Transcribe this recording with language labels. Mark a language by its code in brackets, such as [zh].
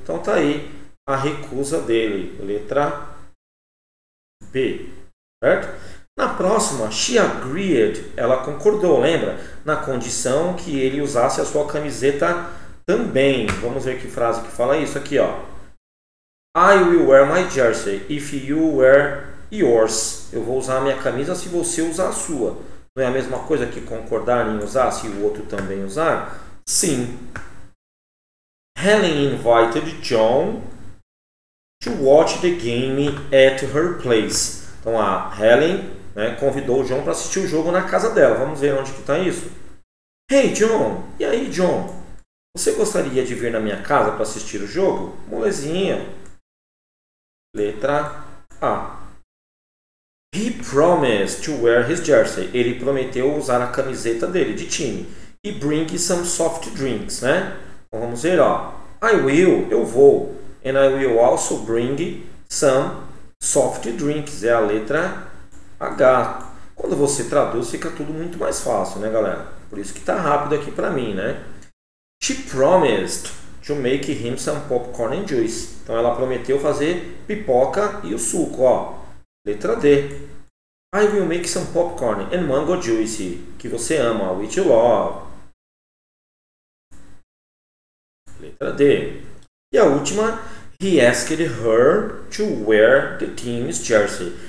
[pt] Então tá aí a recusa dele. Letra B. Certo? Na próxima, [en] she agreed. [pt] Ela concordou, lembra? Na condição que ele usasse a sua camiseta também. Vamos ver que frase que fala isso aqui, ó. [en] I will wear my jersey if you wear yours. [pt] Eu vou usar a minha camisa se você usar a sua. Não é a mesma coisa que concordar em usar se o outro também usar? Sim. [en] Helen invited John to watch the game at her place. [pt] Então, a Helen, né, convidou o John para assistir o jogo na casa dela. Vamos ver onde que está isso. [en] Hey, John. [pt] E aí, John? Você gostaria de vir na minha casa para assistir o jogo? Molezinha. Letra A. [en] He promised to wear his jersey. [pt] Ele prometeu usar a camiseta dele de time. E [en] bring some soft drinks, [pt] né? Então vamos ver, ó. [en] I will, [pt] eu vou. [en] And I will also bring some soft drinks. [pt] É a letra H. Quando você traduz, fica tudo muito mais fácil, né, galera? Por isso que tá rápido aqui pra mim, né? [en] She promised to make him some popcorn and juice. [pt] Então ela prometeu fazer pipoca e o suco, ó. Letra D. [en] I will make some popcorn and mango juice, [pt] que você ama, [en] which you love. [pt] Letra D. E a última, [en] he asked her to wear the team's jersey.